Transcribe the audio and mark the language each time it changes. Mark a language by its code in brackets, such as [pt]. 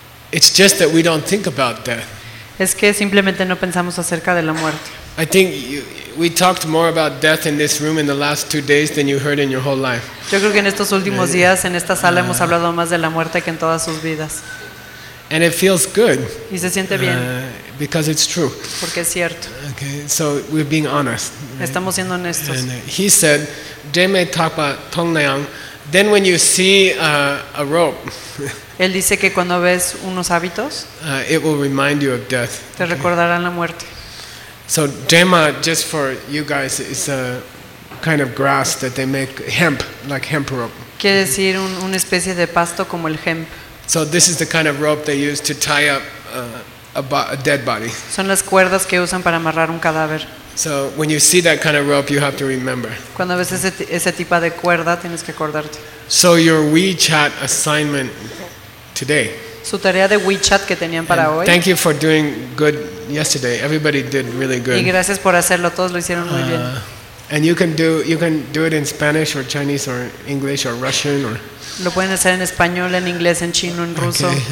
[en] It's just that we don't think about death. [es] Es que simplemente no pensamos acerca de la muerte. [en] I think we talked more about death in this room in the last 2 days than you heard in your whole life. [es] Yo creo que en estos últimos días en esta sala hemos hablado más de la muerte que en todas sus vidas. [en] And it feels good. [es] Y se siente bien. [en] Because it's true. [es] Porque es cierto. [en] Okay, so we're being honest. [es] Estamos siendo honestos. [en] And he said, [bo] "Deme tapa tongnayang." [en] Then when you see a rope, [es] él dice que cuando ves unos hábitos, [en] it will remind you of death. [es] Te recordarán la muerte. [en] So dema, just for you guys, is a kind of grass that they make hemp, like hemp rope. [es] Quiere decir una especie de pasto como el hemp. [en] So this is the kind of rope they use to tie up a dead body. [es] Son las cuerdas que usan para amarrar un cadáver. [en] So when you see that kind of rope, you have to remember. [es] Cuando ves ese tipo de cuerda, tienes que acordarte. [en] So your WeChat assignment today. [es] Su tarea de WeChat que tenían para hoy. [en] Thank you for doing good yesterday. Everybody did really good. [es] Y gracias por hacerlo. Todos lo hicieron muy bien. [en] And you can do it in Spanish or Chinese or English or Russian or. [es] Lo pueden hacer en español, en inglés, en chino, en ruso.